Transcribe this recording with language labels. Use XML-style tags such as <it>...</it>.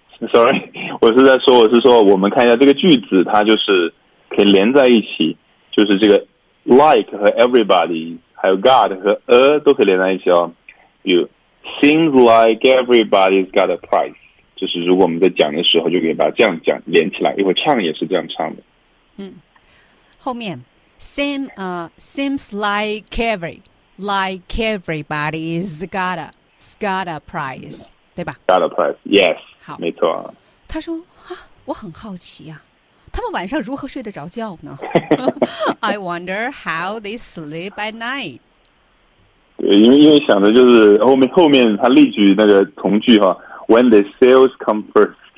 <zh>Sorry， 我是说，我们看一下这个句子，它就是可以连在一起，就是这个 like 和 everybody， 还有 God 和 a 都可以连在一起哦。</zh> <en>You seems like everybody's got a price，</en> <zh>就是如果我们在讲的时候，就可以把这样讲连起来，一会儿唱也是这样唱的。后面</zh> <en>seems like everybody's got a。 Got a prize，</en> <zh>对吧</zh> <en>？Got a prize， yes，</en> <zh>好，没错。他说啊，我很好奇啊，他们晚上如何睡得着觉呢？</zh> <en>I wonder how they sleep at night。</en> <zh>对，因为想着就是后面他例句那个从句哈 ，</zh> <en>When the sales come first。</en>